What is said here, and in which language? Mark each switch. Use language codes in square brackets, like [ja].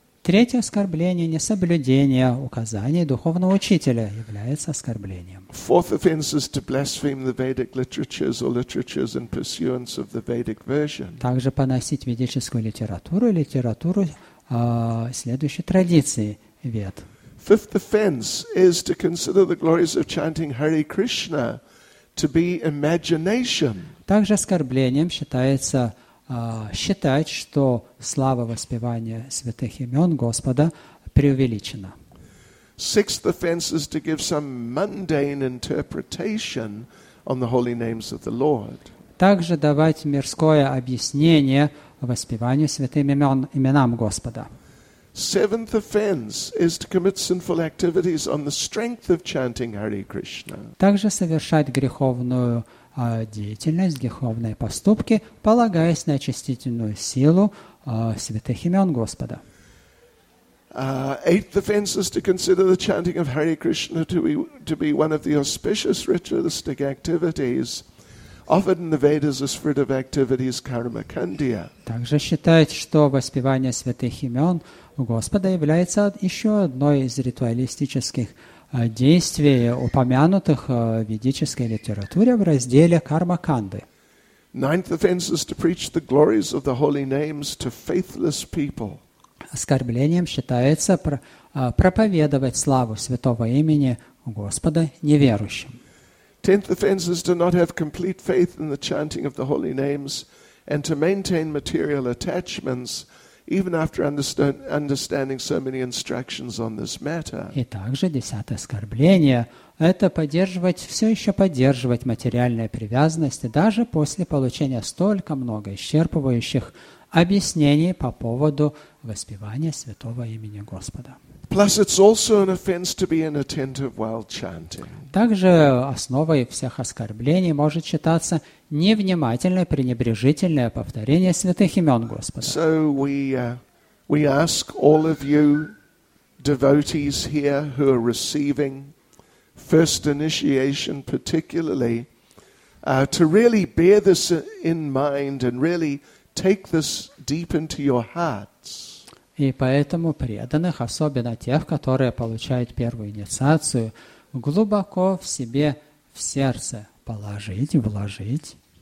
[ru] Третье оскорбление – несоблюдение указаний духовного учителя является оскорблением. [en] Fourth offense is to blaspheme the Vedic literatures or literatures in pursuance of the Vedic version. [ru] Также поносить ведическую литературу и литературу следующей традиции Вед. [en] Fifth offense is to consider the glories of chanting Hare Krishna to be imagination. [ru] Также оскорблением считается считать, что слава воспевания святых имен Господа преувеличена. [en] Sixth offense is to give some mundane interpretation on the holy names of the Lord. [ru] Также давать мирское объяснение воспеванию святых имен именам Господа. [en] Seventh offense is to commit sinful activities on the strength of chanting Hare Krishna. [ru] Также совершать греховную деятельность, греховные поступки, полагаясь на очистительную силу святых имен Господа. [en] Eighth offense is to consider the chanting of Hare Krishna to be one of the auspicious ritualistic activities offered in the Vedas as fruit of activities karma kandiya. [ru] Также считает, что воспевание святых имен Господа является еще одной из ритуалистических действий, упомянутых в ведической литературе в разделе карма канды. [en] Ninth offense is to preach the glories of the holy names to faithless people. [ru] Оскорблением считается проповедовать славу святого имени Господа неверующим. [en] Tenth offense is to not have complete faith in the chanting of the holy names and to maintain material attachments even after understanding so many instructions on this matter. [ru] И также десятое оскорбление – это все еще поддерживать материальные привязанности даже после получения столько много исчерпывающих объяснений по поводу воспевания святого имени Господа. [en] Plus, it's also an offense to be inattentive while chanting. [ru] Также основой всех оскорблений может считаться невнимательное, пренебрежительное повторение святых имен Господа. [en] So we ask all of you devotees here who are receiving first initiation, particularly, to really bear this in mind and really take this deep into your hearts. [ru] И поэтому преданных, особенно тех, которые получают первую инициацию, глубоко в себе, в сердце положить, вложить.